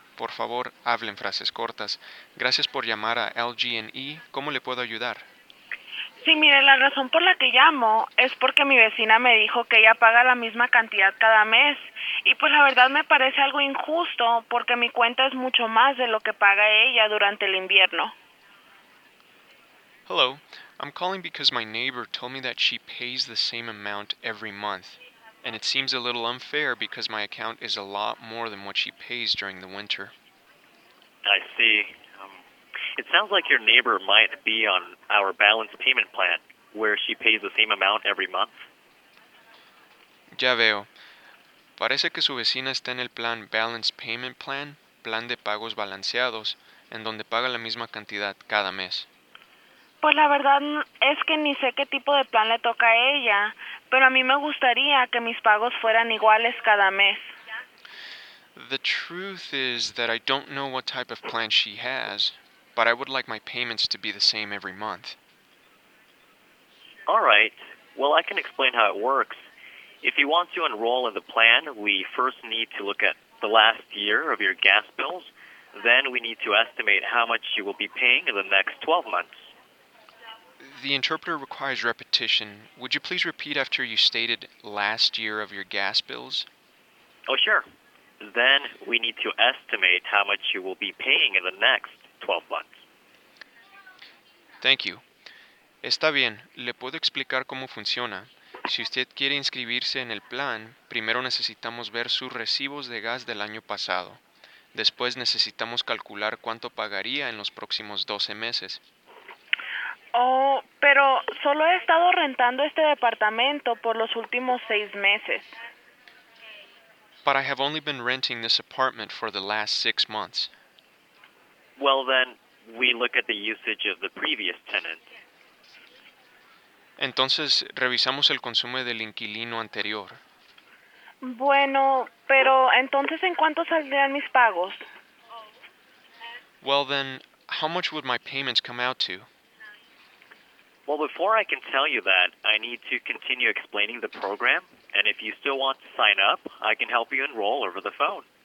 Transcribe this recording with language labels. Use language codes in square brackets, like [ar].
[es] Por favor, hable en frases cortas. Gracias por llamar a LG&E. ¿Cómo le puedo ayudar? Sí, mire, la razón por la que llamo es porque mi vecina me dijo que ella paga la misma cantidad cada mes. Y pues la verdad me parece algo injusto porque mi cuenta es mucho más de lo que paga ella durante el invierno. [en] Hello, I'm calling because my neighbor told me that she pays the same amount every month. And it seems a little unfair because my account is a lot more than what she pays during the winter. I see. It sounds like your neighbor might be on our balance payment plan, where she pays the same amount every month. [es] Ya veo. Parece que su vecina está en el plan [en] balance payment plan, [es] plan de pagos balanceados, en donde paga la misma cantidad cada mes. Pues la verdad es que ni sé qué tipo de plan le toca a ella, pero a mí me gustaría que mis pagos fueran iguales cada mes. [en] The truth is that I don't know what type of plan she has, but I would like my payments to be the same every month. All right. Well, I can explain how it works. If you want to enroll in the plan, we first need to look at the last year of your gas bills. Then we need to estimate how much you will be paying in the next 12 months. The interpreter requires repetition. Would you please repeat after you stated last year of your gas bills? Oh, sure. Then we need to estimate how much you will be paying in the next 12 months. Thank you. [es] Está bien. Le puedo explicar cómo funciona. Si usted quiere inscribirse en el plan, primero necesitamos ver sus recibos de gas del año pasado. Después necesitamos calcular cuánto pagaría en los próximos 12 meses. Oh, pero solo he estado rentando este departamento por los últimos 6 meses. [en] But I have only been renting this apartment for the last 6 months. Well then, we look at the usage of the previous tenant. [es] Entonces, revisamos el consumo del inquilino anterior. Bueno, pero entonces, ¿en cuánto saldrían mis pagos? [en] Well then, how much would my payments come out to? Well, before I can tell you that, I need to continue explaining the program, and if you still want to sign up, I can help you enroll over the phone.